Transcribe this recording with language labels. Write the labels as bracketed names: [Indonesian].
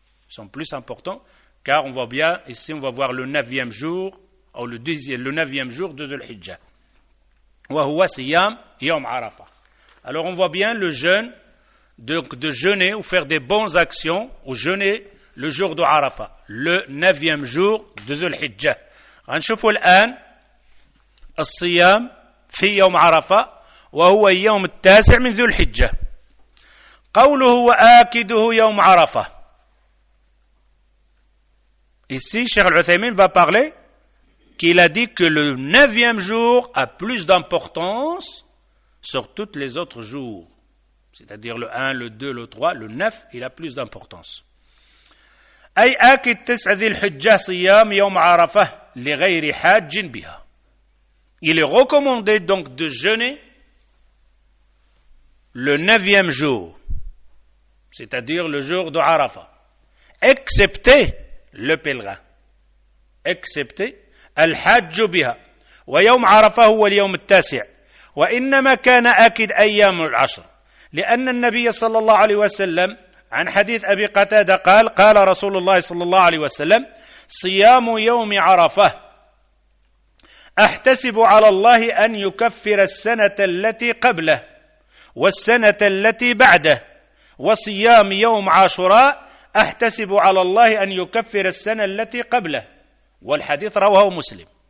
[French] Ils sont plus importants, car on voit bien, ici, on va voir le 9e jour, ou le 10e, le 9e jour de l'Hijja. [Arabic] Wa huwa siyam yom Arafah. [French] Alors, on voit bien le jeûne, de jeûner ou faire des bonnes actions, ou jeûner le jour de Arafah, le 9e jour de l'Hijja. On va voir maintenant, [Arabic] الصيام في يوم عرفة وهو يوم التاسع من ذو الحجة قوله وآكده يوم عرفة. [French] Ici, Cheikh Al-Uthaymin va parler qu'il a dit que le 9e jour a plus d'importance sur toutes les autres jours. C'est-à-dire le 1, le 2, le 3, le 9, il a plus d'importance. [Arabic] أي آكد تسع ذي الحجة صيام يوم عرفة لغير حاج بها. [French] Il est recommandé donc de jeûner le 9e jour, c'est-à-dire le jour de Arafah, excepté le pèlerin, excepté al-hajj biha. [Arabic] Wa yawm Arafah huwa al-yawm at-tasi' wa innama kana akid ayyam al-ashr li'anna an-nabiy sallallahu alayhi wa sallam an hadith Abi Qatada qala qala Rasulullah sallallahu alayhi wa sallam siyamu yawm Arafah أحتسب على الله أن يكفر السنة التي قبله والسنة التي بعده وصيام يوم عاشوراء أحتسب على الله أن يكفر السنة التي قبله والحديث رواه مسلم.